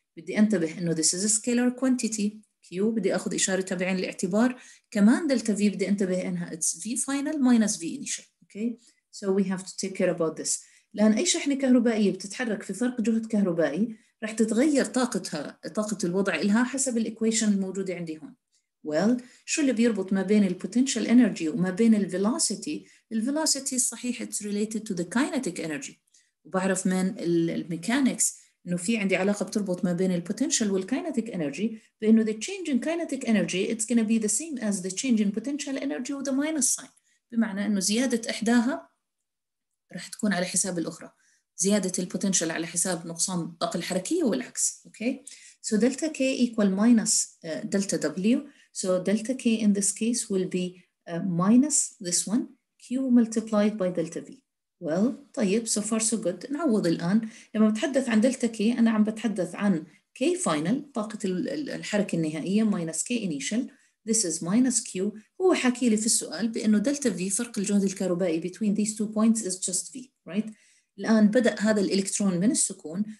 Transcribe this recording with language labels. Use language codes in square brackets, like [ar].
[ar] بدي أنتبه إنه [en] this is a scalar quantity Q، [ar] بدي أخذ إشارة تابعين للاعتبار، كمان delta V بدي أنتبه إنها [en] it's V final minus V initial. Okay, so we have to take care about this. [ar] لأن أي شحنة كهربائية بتتحرك في فرق جهد كهربائي رح تتغير طاقتها، طاقة الوضع إلها حسب الإكويشن الموجودة عندي هون. Well, شو اللي بيربط ما بين البوتنشال إنرجي وما بين الفيلوسيتي؟ الفيلوسيتي صحيح [en] it's related to the kinetic energy. [ar] وبعرف من الميكانيكس إنه في عندي علاقة بتربط ما بين البوتنشال والكينيتيك إنرجي، بإنه [en] the change in kinetic energy it's gonna be the same as the change in potential energy with the minus sign. [ar] بمعنى إنه زيادة إحداها رح تكون على حساب الأخرى، زيادة البوتنشال على حساب نقصان الطاقة الحركية والعكس. [en] Okay, so delta K equal minus delta W. So delta K in this case will be minus this one Q multiplied by delta V. Well, [ar] طيب [en] so far so good. [ar] نعوض الآن. لما بتحدث عن delta K أنا عم بتحدث عن K final طاقة الحركة النهائية [en] minus K initial. This is minus Q. [ar] هو حكي لي في السؤال بأنه delta V فرق الجهد الكهربائي [en] between these two points is just V, right؟ [ar] الآن بدأ هذا الإلكترون من السكون.